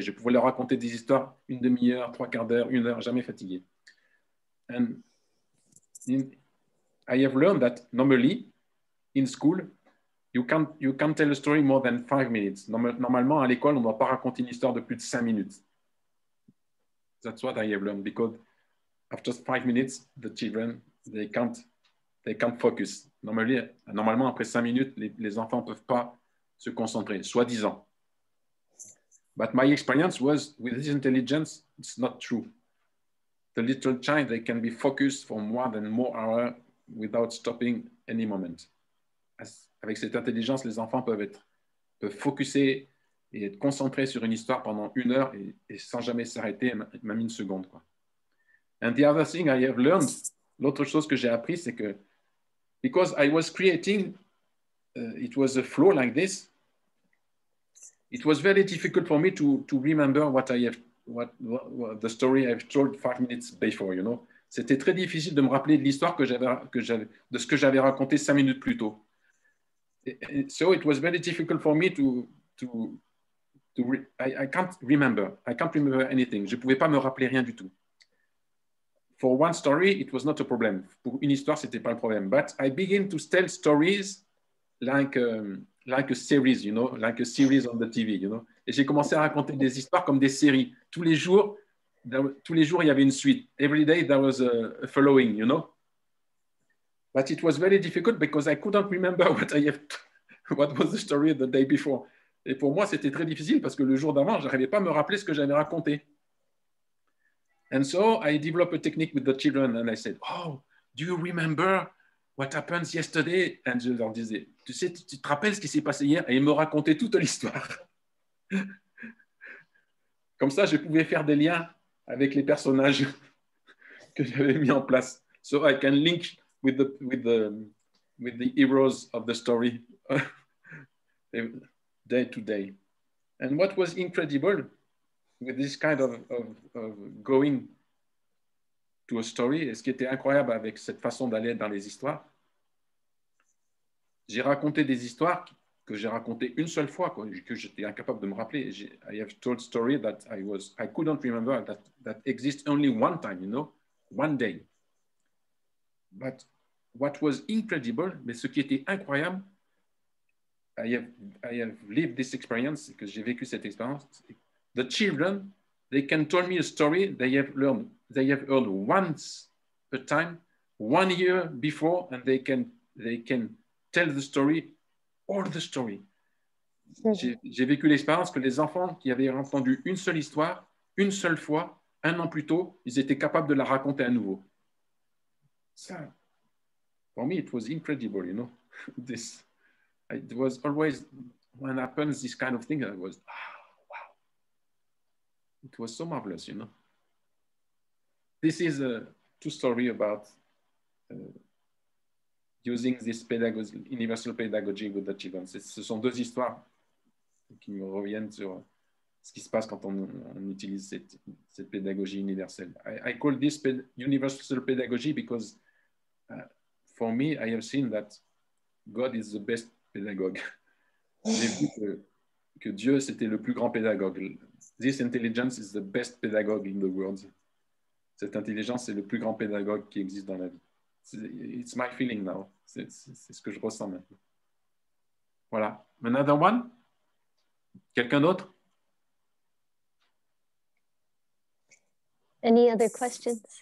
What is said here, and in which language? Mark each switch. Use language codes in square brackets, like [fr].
[fr] Je pouvais leur raconter des histoires une demi-heure, trois quarts d'heure, une heure, jamais fatigués. [en] And I have learned that normally in school, you can't tell a story more than 5 minutes. [fr] Normalement, à l'école, on ne doit pas raconter une histoire de plus de 5 minutes. [en] That's what I have learned, because after 5 minutes, the children, they can't focus. [fr] Normalement, après 5 minutes, les enfants ne peuvent pas se concentrer, soi-disant. [en] But my experience was, with this intelligence, it's not true. The little child, they can be focused for more hours without stopping any moment. [fr] Avec cette intelligence, les enfants peuvent focuser et être concentrés sur une histoire pendant une heure et sans jamais s'arrêter, même une seconde, quoi. [en] And the other thing I have learned, [fr] l'autre chose que j'ai appris, c'est que [en] because I was creating, it was a flow like this, it was very difficult for me to remember what the story I've told 5 minutes before, you know. [fr] C'était très difficile de me rappeler de l'histoire que j'avais raconté 5 minutes plus tôt. [en] So it was very difficult for me I can't remember anything. [fr] Je pouvais pas me rappeler rien du tout. [en] For one story, it was not a problem. [fr] Pour une histoire, c'était pas le problème. [en] But I begin to tell stories like a series, you know, like a series on the TV, you know. [fr] Et j'ai commencé à raconter des histoires comme des séries. Tous les jours, il y avait une suite. [en] Every day there was a following, you know. But it was very difficult because I couldn't remember what was the story the day before. [fr] Et pour moi, c'était très difficile parce que le jour d'avant, je n'arrivais pas à me rappeler ce que j'avais raconté. [en] And so I developed a technique with the children and I said, oh, do you remember what happened yesterday? [fr] And je leur disais, tu sais, tu te rappelles ce qui s'est passé hier? Et ils me racontaient toute l'histoire. Comme ça, je pouvais faire des liens avec les personnages que j'avais mis en place. [en] So I can link with the heroes of the story. Day to day. And what was incredible with this kind of going to a story, [fr] et ce qui était incroyable avec cette façon d'aller dans les histoires, j'ai raconté des histoires que j'ai racontées une seule fois, quoi, que j'étais incapable de me rappeler. [en] I have told stories that I couldn't remember that exist only one time, you know, one day. But what was incredible, [fr] mais ce qui était incroyable, [en] I have lived this experience, [fr] que j'ai vécu cette expérience. [en] The children, they can tell me a story they have heard once a time, 1 year before, and they can tell the story, all the story. [fr] J'ai vécu l'expérience que les enfants qui avaient entendu une seule histoire, une seule fois, un an plus tôt, ils étaient capables de la raconter à nouveau. [en] So, for me, it was incredible, you know, this. It was always, when happens this kind of thing, I was, oh, wow. It was so marvelous, you know. This is a true story about using this pedagogy, universal pedagogy with the children. [fr] Ce sont deux histoires qui me reviennent sur ce qui se passe quand on utilise cette pédagogie universelle. [en] I call this universal pedagogy because for me, I have seen that God is the best pédagogue. [fr] J'ai vu que Dieu, c'était le plus grand pédagogue. [en] This intelligence is the best pedagogue in the world. [fr] Cette intelligence, c'est le plus grand pédagogue qui existe dans la vie. [en] It's my feeling now. [fr] C'est ce que je ressens maintenant. Voilà. [en] Another one? [fr] Quelqu'un d'autre? [en] Any other questions?